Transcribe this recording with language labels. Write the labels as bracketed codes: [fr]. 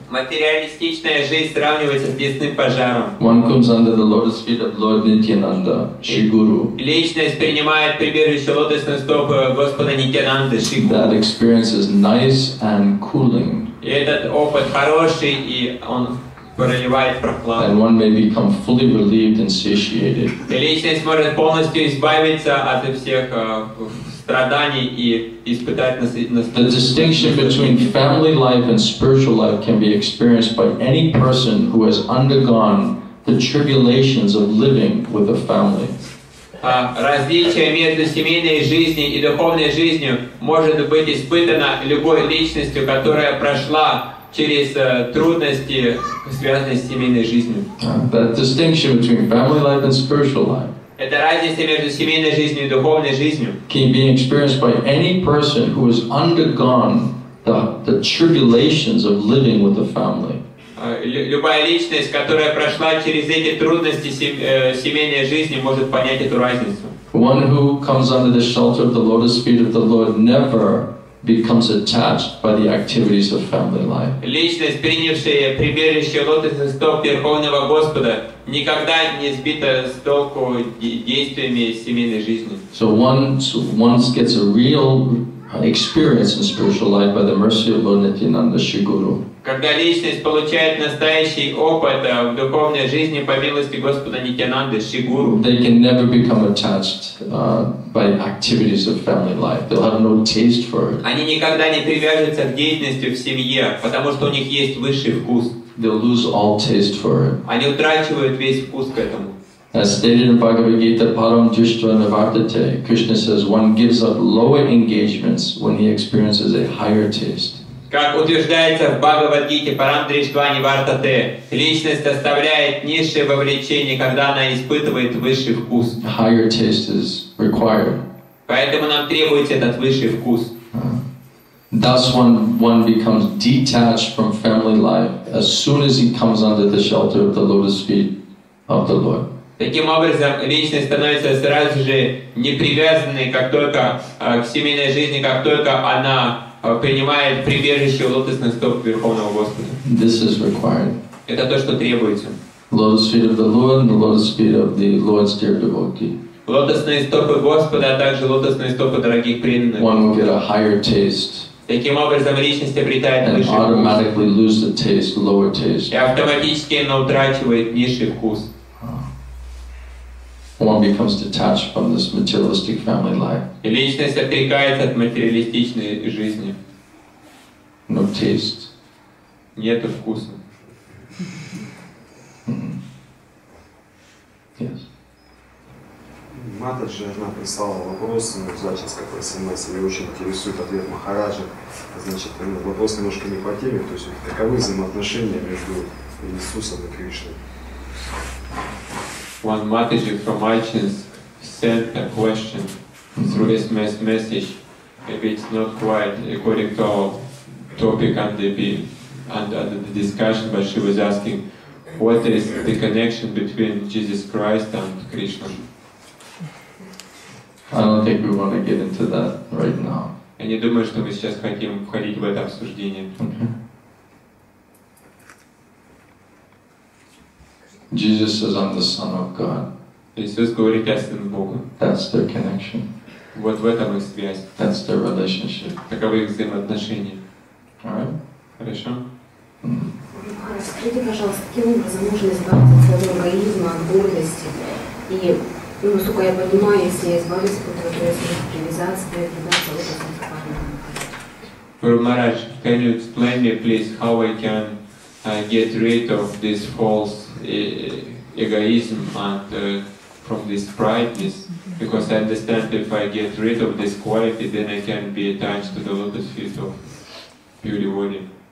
[ru] Материалистичная жизнь сравнивается с лесным пожаром. [en] One comes under the lotus feet of Lord Nityananda, Shri Guru. [ru] Личность принимает прибежище лотосных стоп Господа Нитьянанды, Шри Гуру. [en] That experience is nice and cooling. [ru] И этот опыт хороший, и он проливает прохладу. [en] And one may become fully relieved and satiated. [ru] И личность может полностью избавиться от всех [en] The distinction between family life and spiritual life can be experienced by any person who has undergone the tribulations of living with a family. [ru] Различие между семейной жизнью и духовной жизнью может быть испытано любой личностью, которая прошла через трудности, связанные с семейной жизнью. [en] That distinction between family life and spiritual life. [ru] Это разница между семейной жизнью и духовной жизнью. [en] Can be experienced by any person who has undergone the tribulations of living with a family. [ru] Любая личность, которая прошла через эти трудности семейной жизни, может понять эту разницу. [en] One who comes under the shelter of the lotus feet of the Lord never becomes attached by the activities of family life. [ru] Личность, принявшая прибежище лотосных стоп Верховного Господа, никогда не сбита с толку действиями семейной жизни. [en] So once gets a real experience in spiritual life by the mercy of Lord Nityananda Shri Guru. [ru] Когда личность получает настоящий опыт в духовной жизни по милости Господа Нитьянанды Шри Гуру. [en] They can never become attached by activities of family life. They'll have no taste for it. [ru] Они никогда не привяжутся к деятельности в семье, потому что у них есть высший вкус. [en] They'll lose all taste for it. [ru] Они утрачивают весь вкус к этому. [en] As stated in Bhagavad Gita, [sa] Param Dushtva Navartate, [en] Krishna says, one gives up lower engagements when he experiences a higher taste. [ru] Как утверждается в Бхагавад-гите [sa] Парамдриштвани Вартате, [ru] личность оставляет низшее вовлечение, когда она испытывает высший вкус. [en] Higher taste is required. [ru] Поэтому нам требуется этот высший вкус. [en] Thus one becomes detached from family life as soon as he comes under the shelter of the lotus feet of the Lord. [ru] Таким образом, личность становится сразу же непривязанной, как только к семейной жизни, как только она принимает прибежище в лотосных стоп Верховного Господа. [en] This is required. [ru] Это то, что требуется. [en] Lotus feet of the Lord and the lotus feet of the Lord's dear devotee. [ru] Лотосные стопы Господа, а также лотосные стопы дорогих преданных. [en] One will get a higher taste. [ru] Таким образом, личность обретает [en] and [ru] высший [en] automatically [ru] вкус. [en] Lose the taste, lower taste. [ru] И автоматически она утрачивает низший вкус. [en] One becomes detached from this materialistic family life. [ru] И личность отрекается от материалистичной жизни. [en] No taste. [ru] Нету вкуса. [en] Yes. [ru] Матаджи, она прислала вопрос, значит, с какой СМС, ее очень интересует ответ Махараджа. Значит, вопрос немножко не по теме, то есть каковы взаимоотношения между Иисусом и Кришной? [en] One Mataji from iTunes sent a question through this message. Maybe it's not quite according to our topic and the discussion, but she was asking, what is the connection between Jesus Christ and Krishna? I don't think we want to get into that right now. [ru] Я не думаю, что мы сейчас хотим входить в это обсуждение. [en] Jesus says, I'm the Son of God. [ru] Иисус говорит, я Сын Бога. [en] That's their connection. [ru] Вот в этом их связь. [en] That's their relationship. [ru] Таковы их взаимоотношения. Хорошо? Скажите, пожалуйста, каким образом можно избавиться от эгоизма, от гордости? И, ну, насколько я понимаю, если я избавлюсь от этого, то есть от привязанности, то есть от этого, то есть от [en] Guru Maharaj, can you explain me, please, how I can get rid of this false egoism and from this pride? Because I understand if I get rid of this quality, then I can be attached to the lotus feet of pure devotee.